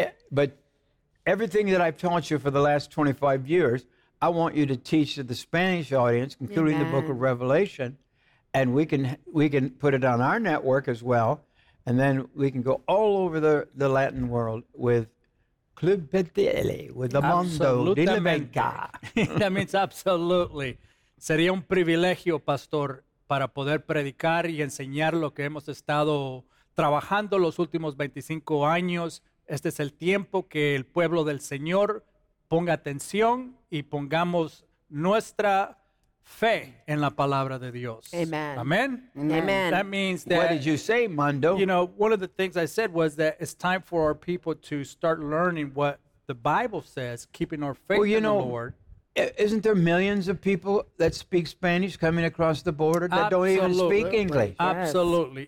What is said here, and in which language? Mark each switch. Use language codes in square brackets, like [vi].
[en] But everything that I've taught you for the last 25 years, I want you to teach to the Spanish audience, including the book of Revelation, and we can put it on our network as well, and then we can go all over the Latin world with Club Petrielli, with the Mondo de la Vega. That means absolutely. [es] Sería un privilegio, Pastor, para poder predicar y enseñar lo que hemos estado trabajando los últimos 25 años. Este es el tiempo que el pueblo del Señor ponga atención y pongamos nuestra fe en la palabra de Dios. [en] Amen. Amen. Amen. That means that. What did you say, Mondo? You know, one of the things I said was that it's time for our people to start learning what the Bible says, keeping our faith in the Lord. Isn't there millions of people that speak Spanish coming across the border that Absolutely. Don't even speak English? Yes. Absolutely.